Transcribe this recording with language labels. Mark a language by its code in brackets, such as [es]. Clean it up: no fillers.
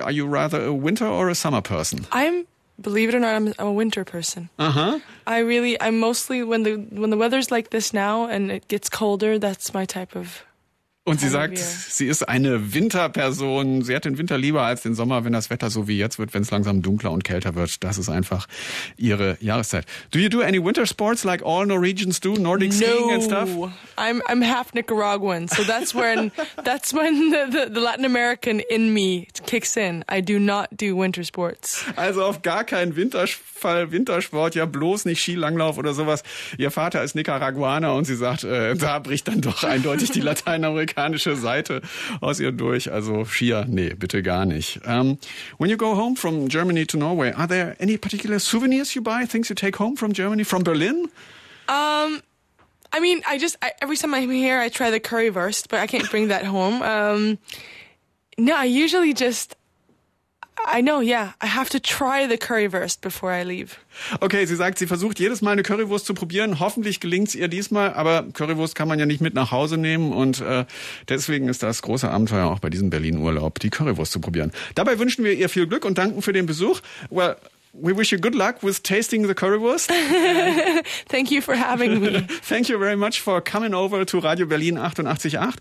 [en] Are you rather a winter or a summer person? I'm a winter person. Uh-huh. I'm mostly when the weather's like this now and it gets colder, that's my type of. [de] Und sie sagt, sie ist eine Winterperson. Sie hat den Winter lieber als den Sommer, wenn das Wetter so wie jetzt wird, wenn es langsam dunkler und kälter wird. Das ist einfach ihre Jahreszeit. [en] Do you do any winter sports like all Norwegians do? Nordic skiing and stuff? No, I'm half Nicaraguan. So that's when the Latin American in me kicks in. I do not do winter sports. [de] Also auf gar keinen Wintersport. Ja, bloß nicht Skilanglauf oder sowas. Ihr Vater ist Nicaraguaner und sie sagt, da bricht dann doch eindeutig die Lateinamerikanische Seite aus ihr durch. Also Skier, nee, bitte gar nicht. [en] When you go home from Germany to Norway, are there any particular souvenirs you buy, things you take home from Germany, from Berlin? I every time I'm here, I try the currywurst, but I can't bring that home. I have to try the currywurst before I leave. [de] Okay, sie sagt, sie versucht jedes Mal eine Currywurst zu probieren. Hoffentlich gelingt es ihr diesmal, aber Currywurst kann man ja nicht mit nach Hause nehmen. Und deswegen ist das große Abenteuer auch bei diesem Berlin-Urlaub, die Currywurst zu probieren. Dabei wünschen wir ihr viel Glück und danken für den Besuch. [en] Well, we wish you good luck with tasting the currywurst. Thank you for having me. Thank you very much for coming over to Radio Berlin 88.8.